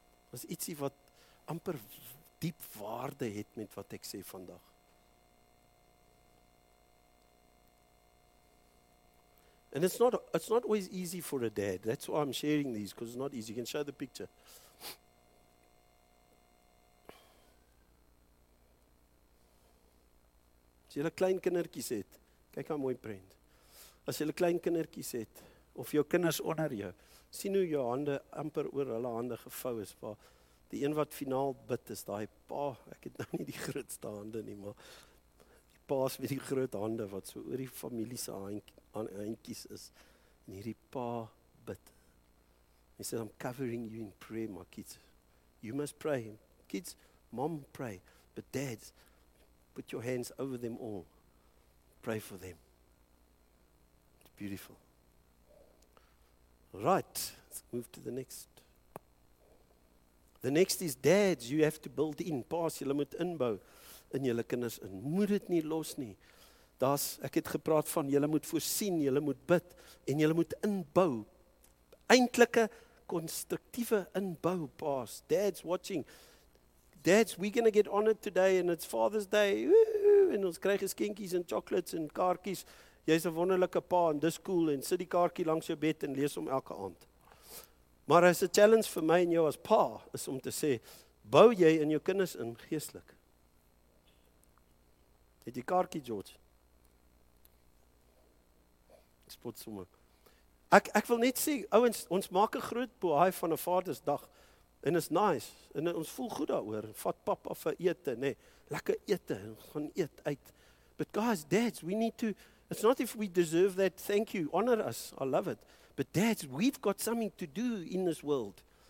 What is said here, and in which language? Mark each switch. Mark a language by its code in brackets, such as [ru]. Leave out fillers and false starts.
[af] There's iets wat amper diep waarde het met wat ek sê vandag. [en] And it's not always easy for a dad. That's why I'm sharing these, because it's not easy. You can show the picture. [af] As jy 'n klein kindertjies het, kyk hoe mooi prent. As jy 'n klein kindertjies het, of jou kinders onder jou, sien hoe jou hande amper oor hulle hande gevou is, waar die een wat finaal bid is, daai pa, ek het nou nie die grootste hande nie, maar die pa's met die groot hande, wat so oor die familie se handjies is, en hierdie pa bid. [en] He says, I'm covering you in prayer, my kids. You must pray. Kids, mom, pray. But dads, put your hands over them all. Pray for them. It's beautiful. Right, let's move to the next. The next is dads, you have to build in. [af] Pas, julle moet inbou in julle kinders in. Moet dit nie los nie. Daar's, ek het gepraat van, julle moet voorsien, julle moet bid, en julle moet inbou. Eintlike konstruktiewe inbou, pas. [en] Dads watching. Dads, we're going to get honored today, and it's Father's Day. [af] Woo-hoo! En ons kry geskenkies en chocolates en kaartjies. Jy's 'n wonderlike pa, en dis cool, en sit die kaartjie langs jou bed en lees hom elke aand. Maar as 'n challenge vir my en jou as pa, is om te sê, bou jy in jou kinders in geestelik? Het jy kaartjie, George? Ek spot sommer. Ek wil net sê, ouens, ons maak 'n groot boei van 'n Vadersdag, en is nice, en ons voel goed daaroor, vat papa vir ete, nee, lekker ete, en gaan eet uit. [en] But guys, dads, we need to, it's not if we deserve that, thank you, honor us, I love it. But dads, we've got something to do in this world.